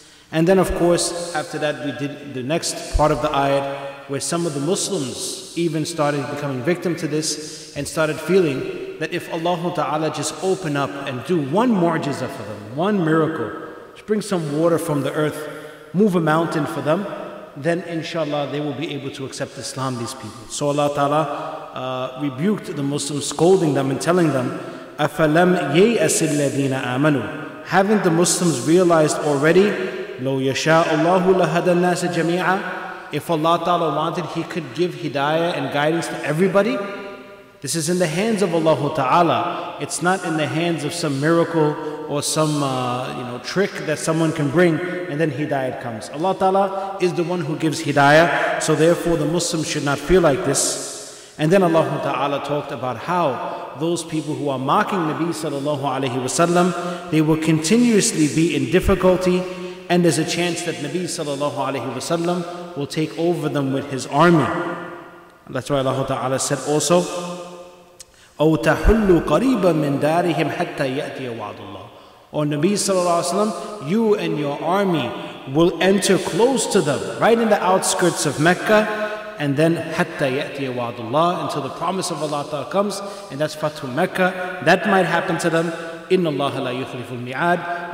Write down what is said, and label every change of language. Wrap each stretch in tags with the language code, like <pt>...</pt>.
<en>And then of course, after that we did the next part of the ayah, where some of the Muslims even started becoming victim to this, and started feeling that if Allah Ta'ala just open up and do one mu'jiza for them, one miracle, just bring some water from the earth, move a mountain for them, then inshallah they will be able to accept Islam, these people. So Allah Ta'ala rebuked the Muslims, scolding them and telling them,</en> <ar>أَفَلَمْ يَيْأَسِ الَّذِينَ آمَنُوا.</ar> <en>Haven't the Muslims realized already,</en> <ar>لَوْ يَشَاءُ اللَّهُ لَهَدَى النَّاسَ جَمِيعًا.</ar> <en>If Allah Ta'ala wanted, He could give hidayah and guidance to everybody. This is in the hands of Allah Ta'ala. It's not in the hands of some miracle or some trick that someone can bring and then hidayah comes. Allah Ta'ala is the one who gives hidayah, so therefore the Muslims should not feel like this. And then Allah Ta'ala talked about how those people who are mocking Nabi sallallahu alayhi wa sallam, they will continuously be in difficulty, and there's a chance that Nabi sallallahu alayhi wa sallam will take over them with his army. That's why Allah Ta'ala said also,</en> <ar>أَوْ تَحُلُّ قَرِيبًا مِّن دَارِهِمْ حَتَّى يَأْتِيَ وَعْدُ اللَّهِ.</ar> <en>Or Nabi sallallahu alayhi wa sallam, you and your army will enter close to them, right in the outskirts of Mecca, and then</en> <ar>حَتَّى يَأْتِيَ وَعْدُ اللَّهِ,</ar> <en>until the promise of Allah Ta'ala comes, and that's Fatu Mecca, that might happen to them.</en> <ar>إِنَّ اللَّهَ لَا يُخْلِفُ الْمِعَادِ.</ar>